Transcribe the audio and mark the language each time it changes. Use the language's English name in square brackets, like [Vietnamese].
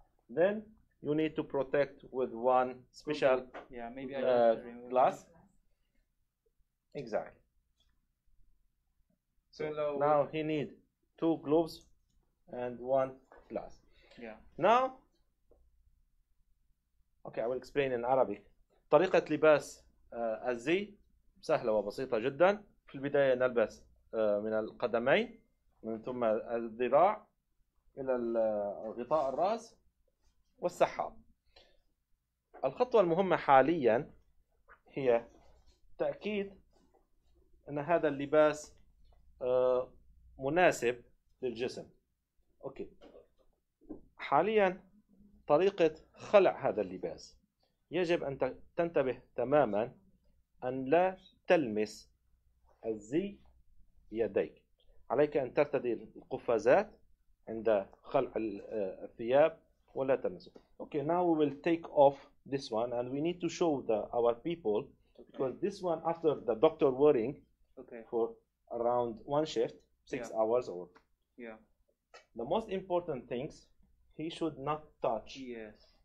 [English] Then you need to protect with one special glass. Exactly. So now he need two gloves and one glass. Yeah. Now, okay, I will explain in Arabic. [Arabic] طريقة لباس الزي سهلة وبسيطة جدا. في البداية نلبس من القدمين من ثم الذراع إلى غطاء الرأس والسحاب. الخطوة المهمة حاليا هي تأكيد أن هذا اللباس مناسب للجسم. أوكي. حاليا طريقة خلع هذا اللباس يجب أن تنتبه تماما أن لا تلمس الزي بيديك. عليك أن ترتدي القفازات عند خلع الثياب ولا تلمسه. [English] Okay, now we will take off this one and we need to show our people because this one after the doctor wearing for around one shift, six hours or. Yeah. The most important things, he should not touch yes.